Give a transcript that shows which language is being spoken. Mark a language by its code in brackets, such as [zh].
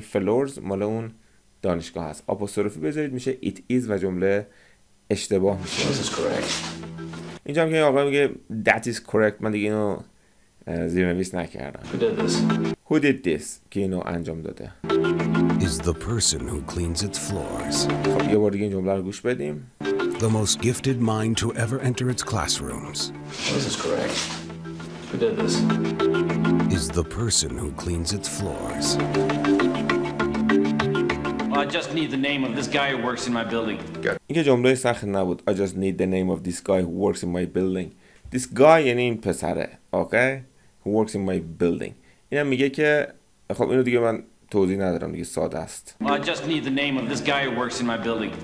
[fa] این floors مال اون دانشگاه هست. آپوستروفی بذارید میشه [en] it is [fa] و جمله اشتباه میشه. [en] This is correct. [fa] اینجا هم که آقای میگه [en] that is correct. [fa] من دیگه اینو زیرنویس نکردم. [en] Who did this? Who did this? [fa] که اینو انجام داده. [en] Is the person who cleans its floors. [fa] خب یه بار دیگه این جمله رو گوش بدیم. [en] The most gifted mind to ever enter its classrooms. This is correct. Who did this? Is the person who cleans its floors. I just need the name of this guy who works in my building. [fa] این که جمله سخت نبود. [en] I just need the name of this guy who works in my building. This guy [fa] یعنی این پسره. [en] Okay? Who works in my building. [fa] این هم میگه که خب اینو دیگه من توضیح ندارم دیگه ساده است. [en] I just need the name of this guy who works in my building.